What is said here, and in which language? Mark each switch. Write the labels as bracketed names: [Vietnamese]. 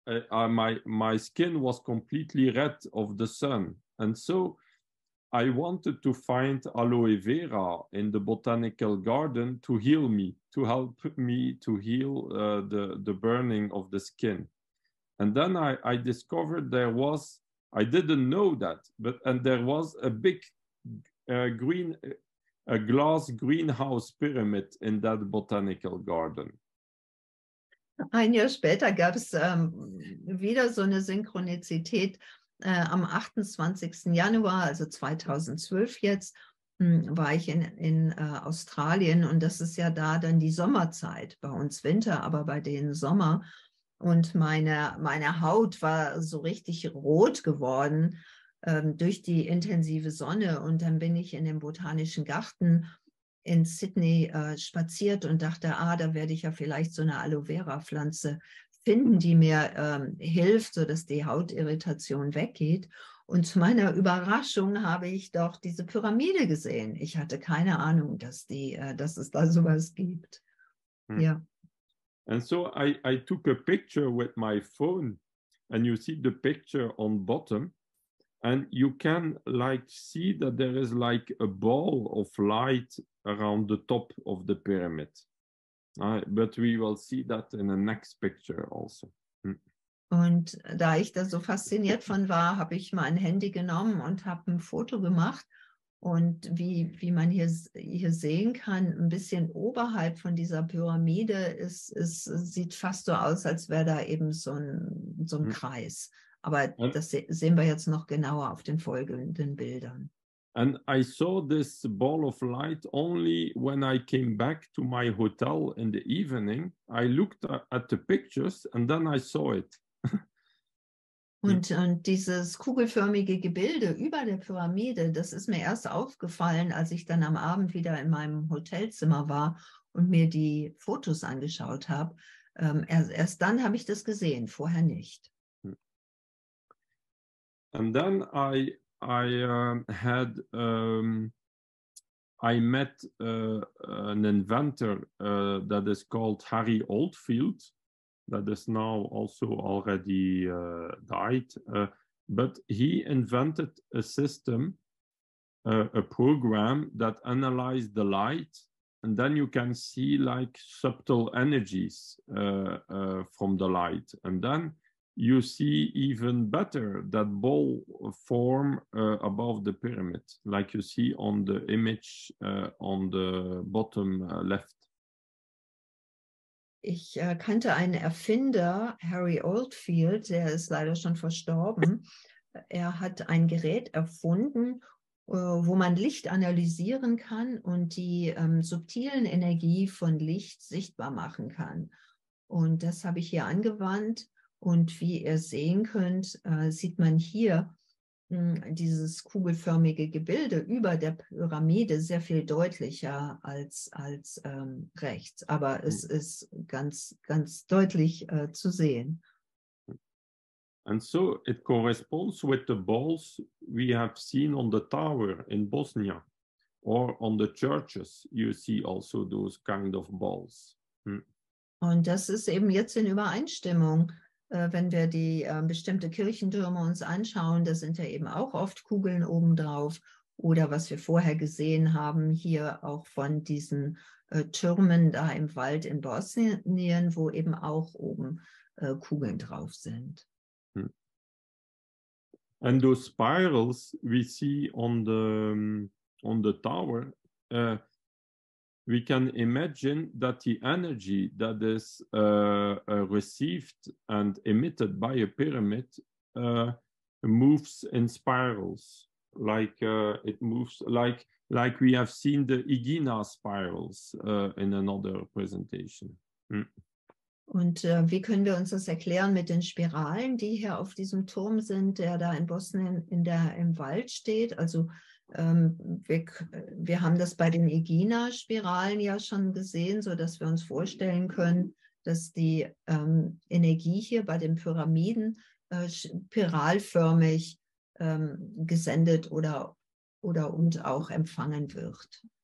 [English] my skin was completely red of the sun, and so I wanted to find aloe vera in the botanical garden to heal me, to help me to heal the burning of the skin. And then I discovered I didn't know that, but there was a big green glass greenhouse pyramid in that botanical garden. [German] Ein Jahr später gab es wieder so eine Synchronizität. Am 28. Januar, also 2012 jetzt, war ich in Australien, und das ist ja da dann die Sommerzeit, bei uns Winter, aber bei denen Sommer, und meine Haut war so richtig rot geworden durch die intensive Sonne, und dann bin ich in den Botanischen Garten in Sydney spaziert und dachte, da werde ich ja vielleicht so eine Aloe Vera Pflanze finden, die mir hilft, sodass die Hautirritation weggeht. Und zu meiner Überraschung habe ich doch diese Pyramide gesehen. Ich hatte keine Ahnung, dass es da sowas gibt. Hm. Ja. [English] And so I took a picture with my phone, and you see the picture on bottom, and you can like see that there is like a ball of light around the top of the pyramid. But we will see that in the next picture also. [German] Und da ich da so fasziniert von war, habe ich mein Handy genommen und habe ein Foto gemacht Und wie man hier sehen kann, ein bisschen oberhalb von dieser Pyramide sieht fast so aus, als wäre da eben so ein Kreis. Aber das sehen wir jetzt noch genauer auf den folgenden Bildern. [English] And I saw this ball of light only when I came back to my hotel in the evening. I looked at the pictures and then I saw it. [German] Und dieses kugelförmige Gebilde über der Pyramide, das ist mir erst aufgefallen, als ich dann am Abend wieder in meinem Hotelzimmer war und mir die Fotos angeschaut habe. Erst dann habe ich das gesehen, vorher nicht. [English] And then I met an inventor that is called Harry Oldfield, that is now also already died. But he invented a system, a program that analyzed the light, and then you can see like subtle energies from the light, and then you see even better that ball form above the pyramid, like you see on the image on the bottom left. [German] Ich kannte einen Erfinder, Harry Oldfield, der ist leider schon verstorben. Er hat ein Gerät erfunden, wo man Licht analysieren kann und die subtilen Energie von Licht sichtbar machen kann. Und das habe ich hier angewandt. Und wie ihr sehen könnt, sieht man hier dieses kugelförmige Gebilde über der Pyramide sehr viel deutlicher als rechts. Aber es ist ganz, ganz deutlich zu sehen. [English] And so it corresponds with the balls we have seen on the tower in Bosnia or on the churches. You see also those kind of balls. [German] Und das ist eben jetzt in Übereinstimmung. Wenn wir die bestimmte Kirchentürme uns anschauen, da sind ja eben auch oft Kugeln obendrauf. Oder was wir vorher gesehen haben, hier auch von diesen Türmen da im Wald in Bosnien, wo eben auch oben Kugeln drauf sind. [English] And those spirals we see on the tower, we can imagine that the energy that is received and emitted by a pyramid moves in spirals, like we have seen the Egina spirals in another presentation. [German] Und wie können wir uns das erklären mit den Spiralen, die hier auf diesem Turm sind, der da in Bosnien im Wald steht? Also wir haben das bei den Egina-Spiralen ja schon gesehen, sodass wir uns vorstellen können, dass die Energie hier bei den Pyramiden spiralförmig gesendet oder und auch empfangen wird.